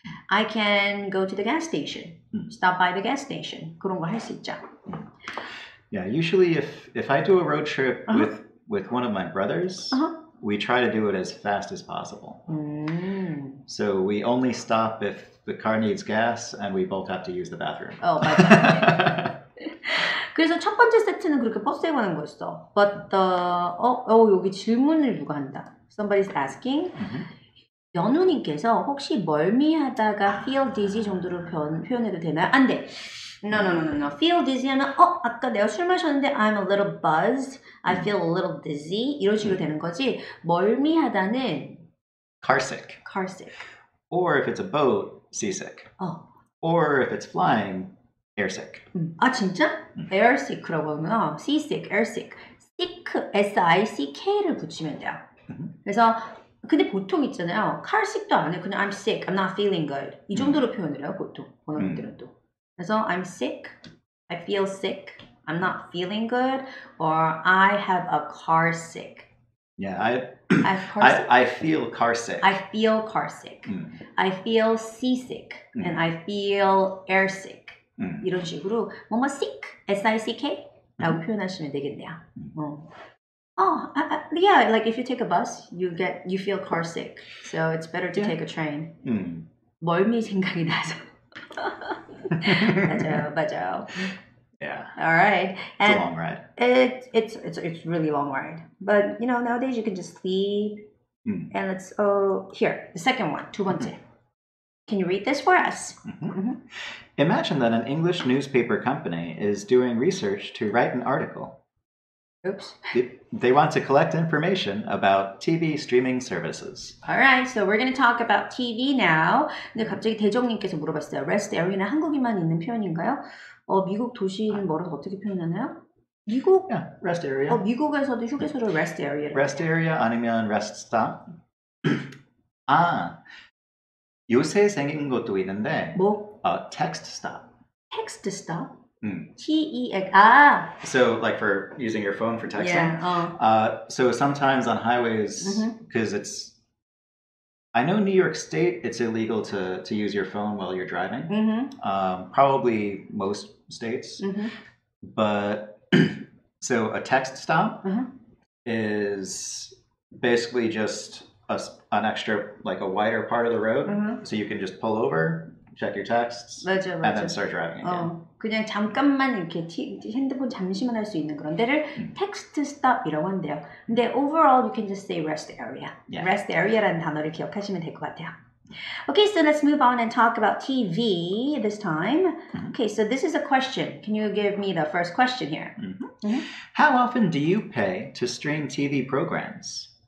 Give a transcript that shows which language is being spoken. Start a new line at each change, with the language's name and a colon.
English: I can go to the gas station. Mm. Stop by the gas station.
Korean: 그런 거 할 수 있죠.
English: Yeah, usually if I do a road trip uh-huh. with one of my brothers, uh-huh. we try to do it as fast as possible. Mm. So we only stop if the car needs gas and we both have to use the bathroom. Oh, my God.
Korean: 그래서 첫 번째 세트는 그렇게 버스에 관한 거였어.
English: But the,
Korean: 여기 질문을 누가 한다.
English: Somebody's asking. Mm-hmm.
Korean: 연우님께서 혹시 멀미하다가 feel dizzy 정도로 표현해도 되나요? 안 돼.
English: No.
Korean: Feel dizzy하면 아까 내가 술 마셨는데
English: I'm a little buzzed. I feel a little dizzy.
Korean: 이런 식으로 되는 거지. 멀미하다는
English: carsick. Or if it's a boat, seasick. Or if it's flying, airsick.
Korean: 아 진짜? Airsick라고 하면 seasick, airsick. Sick, S-I-C-K를 붙이면 돼요. 그래서 근데 보통 있잖아요. carsick도 안 해. 그냥
English: I'm sick. I'm not feeling good.
Korean: 이 정도로 표현을 해요. 보통 번역들은 또. 그래서
English: I'm sick, I feel sick, I'm not feeling good, or I have a car sick. Yeah, I feel car sick. I feel car sick. Mm. I feel seasick, mm. and I feel air sick. Mm.
Korean: 이런 식으로 뭐뭐 sick, S-I-C-K 라고 표현하시면 되겠네요.
English: Mm. Like if you take a bus, you feel car sick. So it's better to take a train. Mm.
Korean: 멀미 생각이 나서. 맞아요, 맞아요.
English: Yeah. All right. And it's a long ride. It's really long ride. But you know, nowadays you can just sleep. Mm. And let's, oh, here, the second one, 두 번째. Can you read this for us? Imagine that an English newspaper company is doing research to write an article. Oops. They want to collect information about TV streaming services. All right, so we're going to talk about TV now.
Korean: 근데 갑자기 대종님께서 물어봤어요. Rest area는 한국에만 있는 표현인가요? 미국 도시는 멀어서 어떻게 표현하나요? 미국?
English: Yeah, rest area.
Korean: 미국에서도 휴게소를 rest area.
English: Rest area 아니면 rest stop?
Korean: 아, 요새 생긴 것도 있는데. 뭐?
English: Text stop. Text stop? T-E-X, So like for using your phone for texting? Yeah. So sometimes on highways, because it's, I know New York State, it's illegal to use your phone while you're driving. Probably most states. But so a text stop is basically just an extra, like a wider part of the road. So you can just pull over, check your texts,
Korean: 맞아, 맞아.
English: And then start driving again.
Korean: 그냥 잠깐만 이렇게 핸드폰 잠시만 할 수 있는 그런 데를 텍스트 스톱이라고 한대요. 근데
English: overall you can just say rest area. Yeah.
Korean: Rest area라는 단어를 기억하시면 될 것 같아요.
English: Okay, so let's move on and talk about TV this time. Okay, so this is a question. Can you give me the first question here? How often do you pay to stream TV programs?